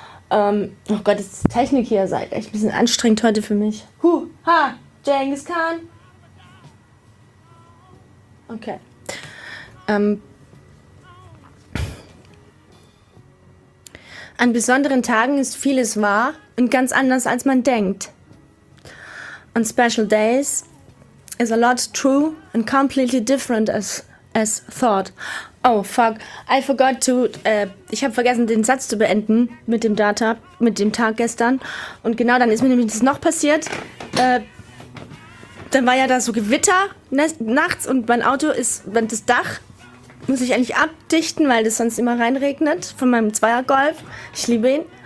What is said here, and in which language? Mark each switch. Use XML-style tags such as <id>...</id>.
<de>Oh Gott, das Technik hier ist echt ein bisschen anstrengend heute für mich. Huh, ha, Genghis Khan. Okay. An besonderen Tagen ist vieles wahr und ganz anders, als man denkt.</de> <en>On special days is a lot true and completely different as thought. Oh, fuck. I forgot to...</en> <de>ich habe vergessen, den Satz zu beenden mit dem Data, mit dem Tag gestern. Und genau dann ist mir nämlich das noch passiert. Dann war ja da so Gewitter nachts und mein Auto ist... Das Dach muss ich eigentlich abdichten, weil das sonst immer reinregnet von meinem Zweier-Golf. Ich liebe ihn.</de>